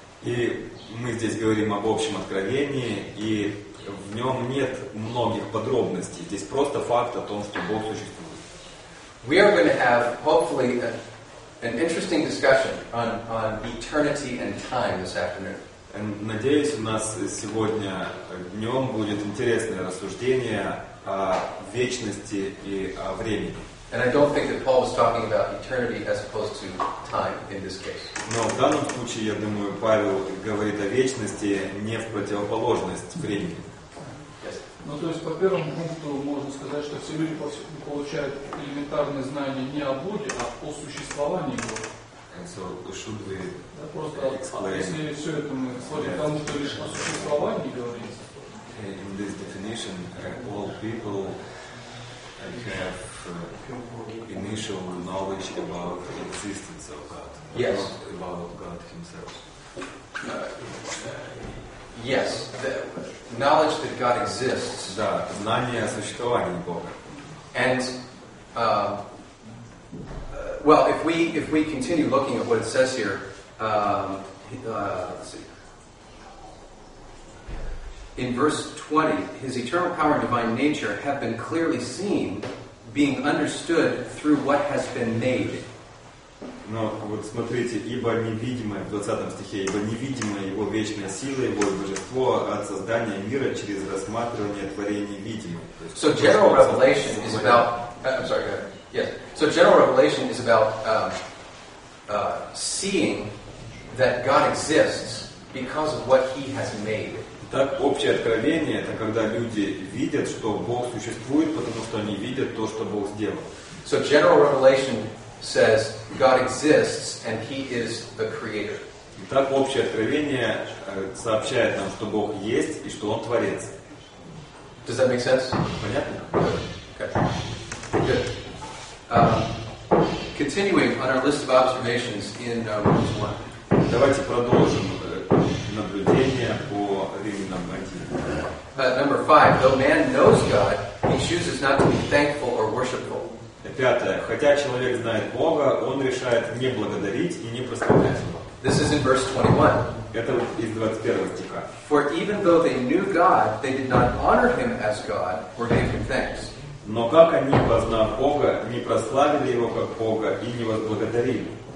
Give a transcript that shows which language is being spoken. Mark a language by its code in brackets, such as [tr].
[ru] И мы здесь говорим об общем откровении, и в нем нет многих подробностей. Здесь просто факт о том, что Бог существует. [en] We are going to have, hopefully, an interesting discussion on eternity and time this afternoon. [ru] And надеюсь, у нас сегодня днем будет интересное рассуждение о вечности и о времени. [en] And I don't think that Paul was talking about eternity as opposed to time in this case. [ru] Но в данном случае, я думаю, Павел говорит о вечности не в противоположность времени. [en] Yes. [ru] Ну, то есть, по первому пункту можно сказать, что все люди получают элементарные знания не о Боге, а о существовании Бога. [en] And so, should we [ru] да, просто, [en] explain? [ru] Если все это мы сходим к тому, что лишь о существовании говорится. [en] In this definition, all people have initial knowledge about the existence of God. Yes. About God himself. Yes. The knowledge that God exists. [ru] Да, знание о существовании Бога. [en] And, if we continue looking at what it says here, let's see. In verse 20, his eternal power and divine nature have been clearly seen, being understood through what has been made. [ru] Но вот смотрите, ибо невидимое в 20 стихе, ибо невидимое его вечная сила, его божество от создания мира через рассматривание творения видимого. [en] So general revelation is about. I'm sorry. Yes. So general revelation is about seeing that God exists because of what He has made. [ru] Так, общее откровение, это когда люди видят, что Бог существует, потому что они видят то, что Бог сделал. [en] So general revelation says God exists and He is the creator. [ru] Так, общее откровение сообщает нам, что Бог есть и что Он творец. [en] Does that make sense? [ru] Понятно. [en] Okay. Good. Continuing on our list of observations in verse 1. [ru] Давайте продолжим наблюдение по римлянам [en] 1. Number 5. Though man knows God, he chooses not to be thankful or worshipful. [ru] Пятое. Хотя человек знает Бога, он решает не благодарить и не прославлять Его. [en] This is in verse 21. [ru] Это из 21 стиха. [en] For even though they knew God, they did not honor Him as God or gave Him thanks. [ru] Но как они, познав Бога, не прославили Его как Бога и не возблагодарили?